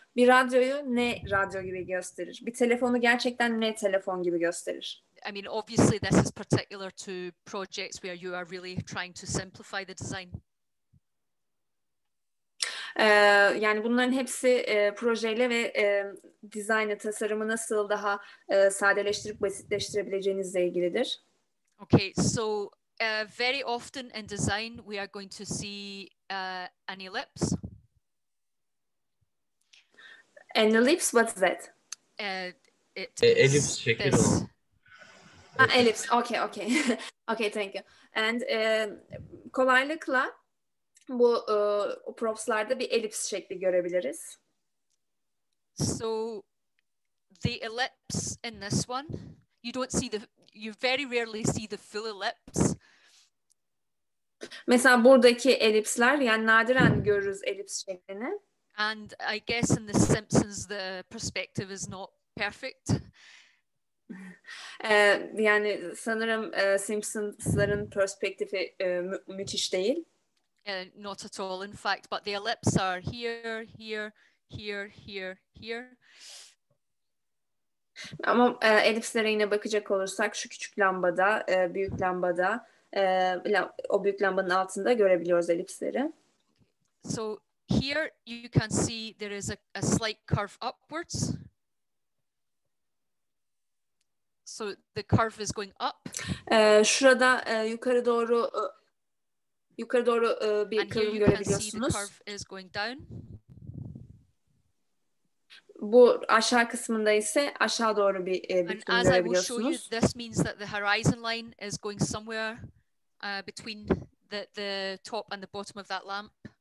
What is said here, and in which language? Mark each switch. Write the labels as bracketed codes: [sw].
[tr] Bir radyoyu ne radyo gibi gösterir? Bir telefonu gerçekten ne telefon gibi gösterir? [en] I mean, obviously this is particular to projects where you are really trying to simplify the design. [tr] Yani bunların hepsi projeyle ve dizaynı, tasarımı nasıl daha sadeleştirip basitleştirebileceğinizle ilgilidir. [en] Okay, so very often in design we are going to see an ellipse. An ellipse, what's that? [tr] Ellipse şeklinde. Ellipse, [en] okay, okay. Okay, thank you. And [tr] kolaylıkla bu propslarda bir ellipse şekli görebiliriz. [en] So the ellipse in this one, you very rarely see the full ellipse. [tr] Mesela buradaki ellipsler, yani nadiren görürüz ellipse şeklini. [en] And I guess in the Simpsons the perspective is not perfect. [tr] Yani sanırım Simpsons'ların perspektifi müthiş değil. [en] Not at all, in fact, but the ellipse are here, here, here, here, here. [tr] Ama ellipslere yine bakacak olursak şu küçük lambada, büyük lambada, o büyük lambanın altında görebiliyoruz ellipsleri. [en] So here you can see there is a slight curve upwards. So the curve is going up. [tr] Şurada yukarı doğru bir kırılım görebiliyorsunuz. [en] And here you can see the curve is going down. [tr] Bu aşağı kısmında ise aşağı doğru bir kırılım görebiliyorsunuz. [en] And as I will show you, this means that the horizon line is going somewhere between the top and the bottom of that lamp.